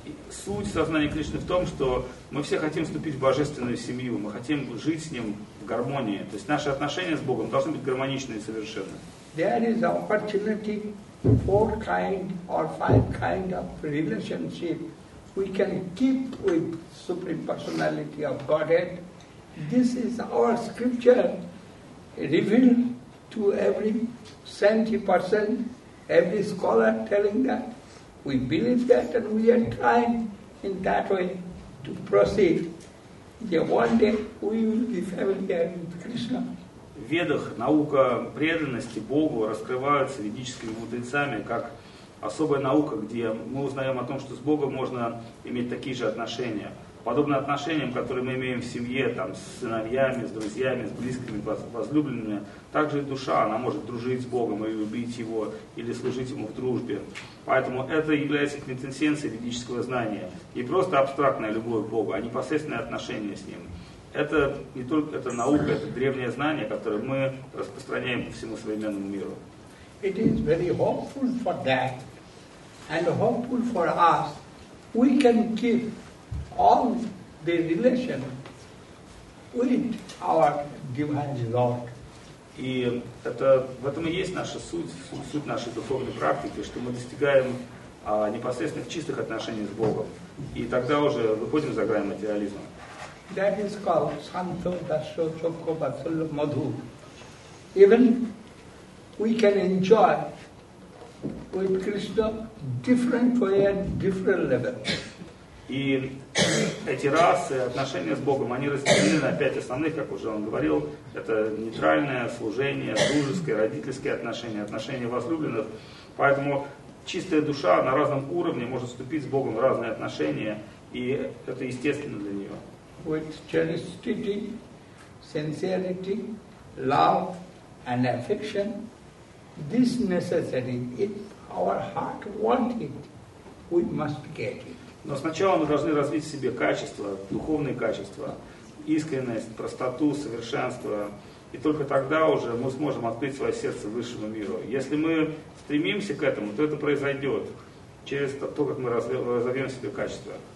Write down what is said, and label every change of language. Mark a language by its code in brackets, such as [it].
[ru] Суть сознания Кришны в том, что мы все хотим вступить в божественную семью, мы хотим жить с ним в гармонии. То есть наши отношения с Богом должны быть гармоничны и совершенны. [en] There is opportunity four kind or five kind of relationship we can keep with Supreme Personality of Godhead. This is our scripture revealed to every saintly person, every scholar telling that. We believe that and we are trying in that way to proceed. Yeah, one day we will be familiar with Krishna. [ru] В ведах наука преданности Богу раскрывается ведическими мудрецами как особая наука, где мы узнаем о том, что с Богом можно иметь такие же отношения. Подобно отношениям, которые мы имеем в семье, там, с сыновьями, с друзьями, с близкими, возлюбленными, также и душа, она может дружить с Богом и любить Его, или служить Ему в дружбе. Поэтому это является квинтэссенцией ведического знания. Не просто абстрактная любовь к Богу, а непосредственное отношение с Ним. Это не только это наука, это древнее знание, которое мы распространяем по всему современному миру. [en] It is very hopeful for that. And hopeful for us. We can keep all the relation with our divine Lord. [ru] И это, в этом и есть наша суть, суть нашей духовной практики, что мы достигаем непосредственных чистых отношений с Богом. И тогда уже выходим за грань материализма. [en] That is called Santo Dasho Chokho Vatsala Madhu. Even we can enjoy with Krishna different way at different level. [ru] И эти расы, отношения с Богом, они разделены на пять основных, как уже он говорил. Это нейтральное служение, дружеское, родительские отношения, отношения возлюбленных. Поэтому чистая душа на разном уровне может вступить с Богом в разные отношения, и это естественно для нее. [en] With generosity, sincerity, love and affection, this necessary. If our heart wants it, we must get it. [ru] Но сначала мы должны развить в себе качества, духовные качества, искренность, простоту, совершенство. И только тогда уже мы сможем открыть свое сердце высшему миру. Если мы стремимся к этому, то это произойдет через то, как мы разовьем в себе качества.